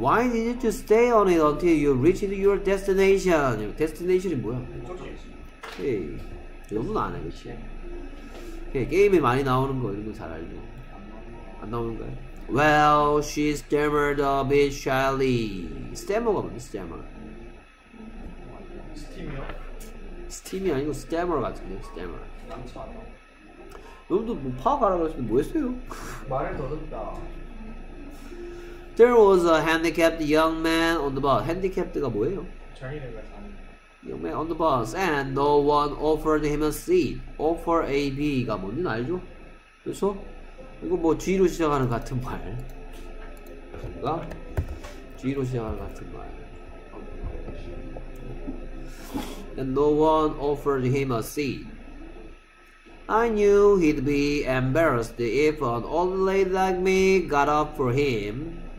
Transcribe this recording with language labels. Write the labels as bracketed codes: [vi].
[en] Why did you stay on it until you reached your destination? [ko] Destination이 뭐야? 예, 너무 안 해, 그렇지? 예, 게임에 많이 나오는 거 이런 거 잘 알죠. 안 나오는 거야. [en] Well, she stammered a bit shyly. Stammer가 [ko] 뭐지? [en] Stammer. [ko] 스팀이 아니고 스태머 같은데 스태머. 여러분도 뭐 파악하라고 했는데 뭐 했어요? 말을 더듬다. [en] There was a handicapped young man on the bus. [ko] Handicapped가 뭐예요? 장애인가 [en] young man on the bus and no one offered him a seat. [ko] Offer A B가 뭔지 알죠? 그래서 이거 뭐 G로 시작하는 같은 말. 뭔가 G로 시작하는 같은 말. [en] And no one offered him a seat. I knew he'd be embarrassed if an old lady like me got up for him.